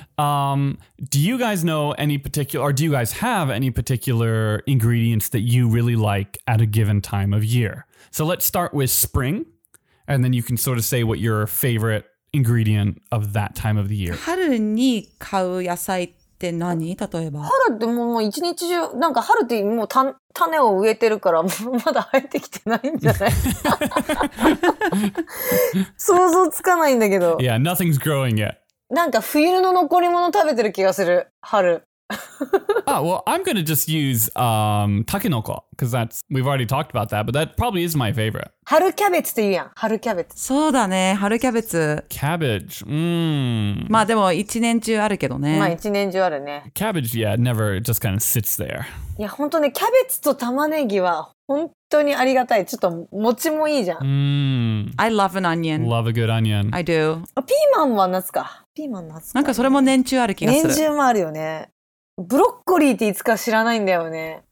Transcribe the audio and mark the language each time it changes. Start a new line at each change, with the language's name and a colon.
English: Do you guys know any particular, or do you guys have any particular ingredients that you really like at a given time of year? So let's start with spring, and then you can sort of say what your favorite ingredient of that time of the year.
Japanese: 春に買う野菜って何?例えば。春ってもう一日中、なんか春ってもう種を植えてるからまだ生えてきてないんじゃない想像つかないんだけど。
English: Yeah, nothing's growing yet.
Japanese: なんか冬の残り物食べてる気がする、春。
English: Oh, well, I'm gonna just use, タケノコ because that's, we've already talked about that, but that probably is my favorite.
Japanese: 春キャベツって言うやん、春キャベツ。そうだね、春キャベツ。
English: Cabbage,
Japanese: まあでも一年中あるけどね。まあ一年中あるね。
English: Cabbage, yeah, never just kind of sits there.
Japanese: いや、本当ね、キャベツと玉ねぎは本当にありがたい。ちょっと餅もいいじゃん。
English: I love an onion. Love a good onion. I do.
Japanese: ピーマンは夏か。ピーマン夏か。なんかそれも年中ある気がする。年中もあるよね。ブロッコリーっていつか知らないんだよね。